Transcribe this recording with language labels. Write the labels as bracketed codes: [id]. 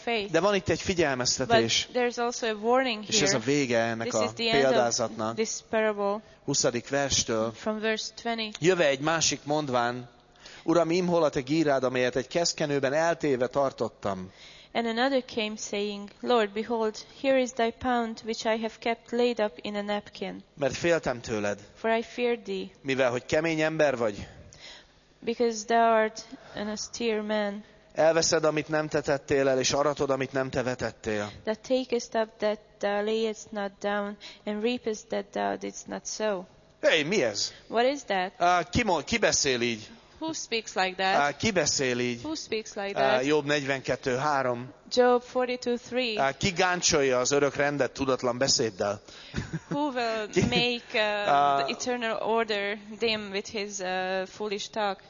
[hu] De van itt egy figyelmeztetés, és ez a vége ennek a példázatnak. 20. verstől jöve egy másik mondván, Uram, imhol a te gírád, amelyet egy keszkenőben eltéve tartottam. [en] And another came saying, Lord, behold, here is thy pound, which I have kept laid up in a napkin. [hu] Mert féltem tőled. [en] For I feared thee. [hu] Mivel hogy kemény ember vagy. [en] Because thou art an austere man. [hu] Elveszed, amit nem te tettél el, és aratod, amit nem te vetettél. [en] That takest up that thou layest not down, and reapest that thou didst not sow. [hu] Hey, mi ez? [en] What is that? [hu] Ki beszél így? [en] Who speaks like that? [hu] Ki beszél így? [en] Who speaks like that? [hu] Job 42:3. [en] Job 42:3. [hu] Ki gáncsolja az örök rendet tudatlan beszéddel? [en] Who will make eternal order dim with his foolish talk?